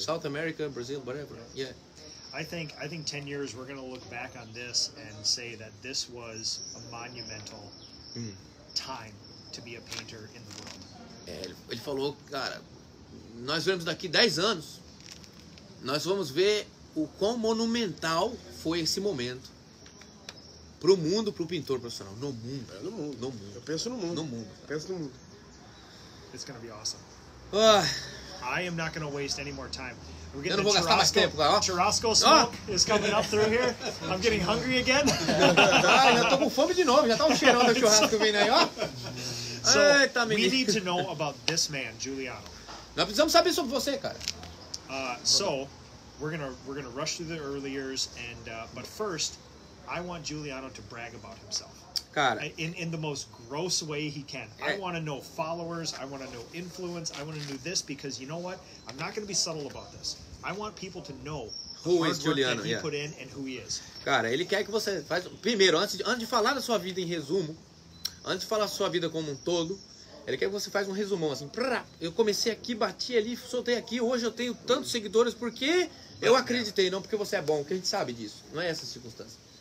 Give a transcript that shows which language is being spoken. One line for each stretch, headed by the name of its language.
English: South America, Brazil, whatever. Yeah. I think 10 years we're going to look back on this and say that this was a monumental time to be a painter in the world.
Portuguese: Ele falou, cara, nós vemos daqui 10 anos, nós vamos ver o quão monumental foi esse momento pro mundo, pro pintor profissional, no mundo. No mundo. Eu penso no mundo. No mundo. Penso no mundo.
English: It's gonna be awesome. Ah. I am not gonna waste any more time. We're getting the churrasco. Churrasco smoke is coming up through here. I'm getting hungry again.
Portuguese: Já tô com fome de novo. Já tá um cheirão do churrasco vindo aí, ó.
English: So, we need to know about this man, Giuliano.
Portuguese: Nós precisamos saber sobre você, cara.
English: So, we're gonna rush through the early years, but first, I want Giuliano to brag about himself.
Portuguese: Cara.
English: In the most gross way he can. I want to know followers. I want to know influence. I want to know this because you know what? I'm not going to be subtle about this. I want people to know who is Giuliano, that he put in and who he is.
Portuguese: Cara, ele quer que você faz primeiro, antes de falar da sua vida em resumo, antes de falar da sua vida como um todo, ele quer que você faça um resumão assim. Prá, eu comecei aqui, bati ali, soltei aqui. Hoje eu tenho tantos seguidores porque eu acreditei, não porque você é bom. Porque a gente sabe disso. Não é essa circunstância.